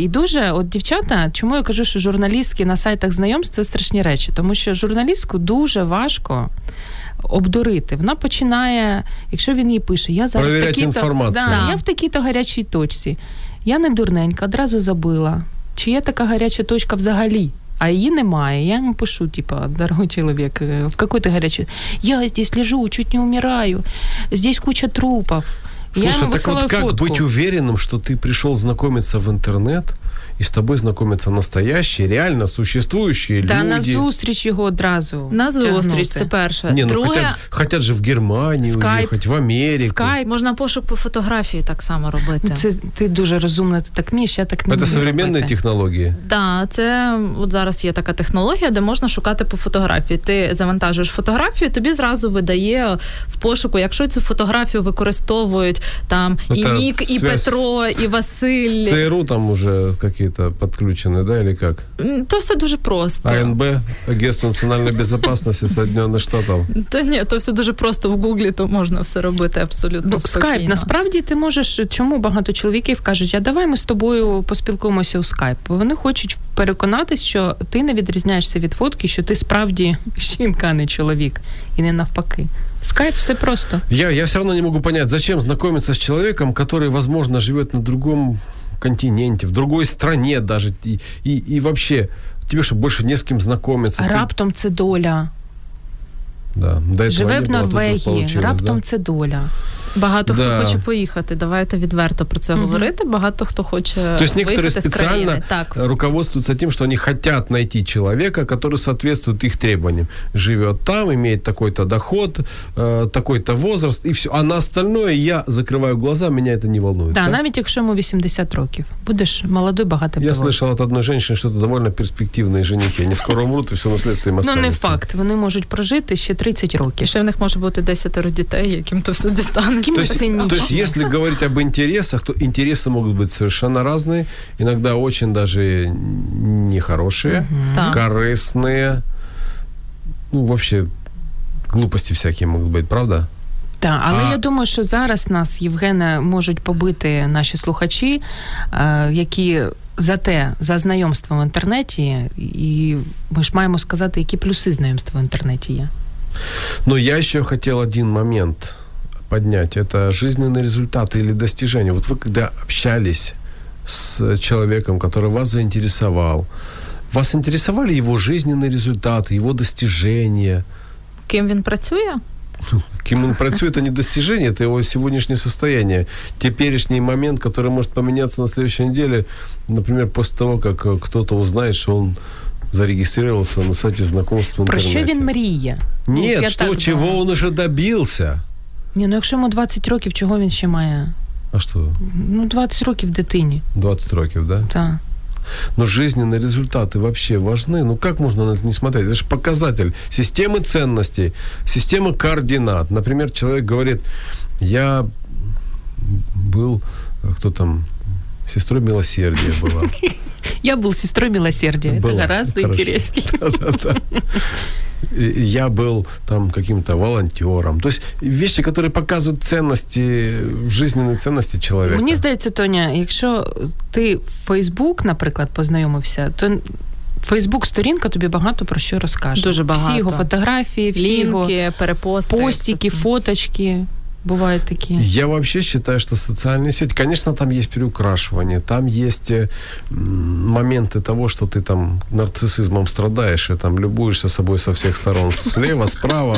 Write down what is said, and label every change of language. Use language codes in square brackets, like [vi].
[uk] І дуже, от дівчата, чому я кажу, що журналістки на сайтах знайомств – це страшні речі, тому що журналістку дуже важко обдурити. Вона починає, якщо він їй пише, я зараз я в такій-то гарячій точці. Я не дурненька, одразу забила. Чи є така гаряча точка взагалі? А її немає. Я йому пишу, типу, дорогий чоловік, [ru] в какой [uk] ти гарячий? [ru] Я здесь лежу, чуть не умираю. Здесь куча трупов. Слушай, так вот как фотку. Быть уверенным, что ты пришел знакомиться в интернет, и с тобой знакомятся настоящие, реально существующие люди. [uk] Да, на зустріч його одразу. На зустріч, це перше. [ru] Не, ну [uk] друге, [ru] хотят же в Германию скайп, уехать, в Америку. Скайп. [uk] Можна пошук по фотографії так само робити. Це, ти дуже розумна, ти так міш, я так не можу. Це современні технології. Да, це от зараз є така технологія, де можна шукати по фотографії. Ти завантажуєш фотографію, тобі зразу видає в пошуку, якщо цю фотографію використовують там ну, і Нік, і Петро, і Василь. [ru] ЦРУ там уже какие-то подключены, да, или как? [uk] То все дуже просто. [ru] АНБ, агентство национальной безопасности Соединенных Штатов. [uk] Да нет, то все дуже просто. В Гуглі то можно все робити абсолютно спокійно. Скайп, насправді ти можеш, чому багато чоловіків кажуть, а давай ми з тобою поспілкуємося у скайп. Вони хочуть переконатись, що ти не відрізняєшся від фотки, що ти справді жінка, а не чоловік. І не навпаки. Скайп все просто. [ru] Я все равно не могу понять, зачем знакомиться [uk] з чоловіком, [ru] который, возможно, живет на другому континенте, в другой стране даже. И вообще, тебе что, больше не с кем знакомиться. [uk] Раптом це доля. [ru] Да, до этого [uk] живе в Норвегії, раптом це доля. Багато хто хоче поїхати. Давайте відверто про це говорити. Багато хто хоче виїхати з країни. [ru] То есть некоторые специально руководствуются тем, что они хотят найти человека, который соответствует их требованиям. Живет там, имеет такой-то доход, такой-то возраст, и все. А на остальное я закрываю глаза, меня это не волнует. [uk] Да, навіть якщо [ru] ему [uk] 80 років. Будеш [ru] молодой, [uk] багатий [ru] пилот. Я слышал от одной женщины, что это довольно перспективные женихи. Они скоро умрут, и все наследство им останется. [uk] Ну, не факт. Вони можуть прожити ще 30 років. Ще в них може бути 10 дітей, яким то все дістане. [ru] То есть, если говорить об интересах, то интересы могут быть совершенно разные, иногда очень даже нехорошие, корыстные, ну, вообще, глупости всякие могут быть, правда? [uk] Так, але я думаю, що зараз нас, Євгена, можуть побити наші слухачі, які за те, за знайомство в інтернеті, і ми ж маємо сказати, які плюси знайомства в інтернеті є. [ru] Ну, [uk] я ще хотів [ru] один момент поднять, это жизненные результаты или достижения. Вот вы когда общались с человеком, который вас заинтересовал, вас интересовали его жизненные результаты, его достижения? Кем он [uk] працює? [ru] Кем он [uk] працює, [ru] это не достижение, это его сегодняшнее состояние. Теперешний момент, который может поменяться на следующей неделе, например, после того, как кто-то узнает, что он зарегистрировался на сайте знакомств в интернете. Про что он [uk] мріє? [ru] Нет, что, чего он уже добился? [uk] Ні, ну якщо йому 20 років, чого він ще має? А що? Ну, 20 років дитині. 20 років, да? Так. Ну, жизненні результати взагалі важні. Ну, як можна на це не [ru] смотреть? [uk] Це ж показатель системи цінностей, системи координат. Наприклад, чоловік говорить, я був, хто там, [ru] сестрою милосердия [uk] була. Я був [ru] сестрою милосердия. [uk] Це гаразд інтересніше. [ru] Я был там каким-то волонтером. То есть вещи, которые показывают ценности, жизненные ценности человека. Мне кажется, Тоня, если ты в Facebook, например, познакомился, то [uk] Facebook-сторінка тобі багато про що розкаже. Дуже багато. Всі його фотографії, всі лінки, його перепости, постики, фоточки. Бувають такі. [ru] Я вообще считаю, что социальные сети, конечно, там есть переукрашивание, там есть моменты того, что ты там нарциссизмом страдаешь и там любуешься собой со всех сторон, слева, справа.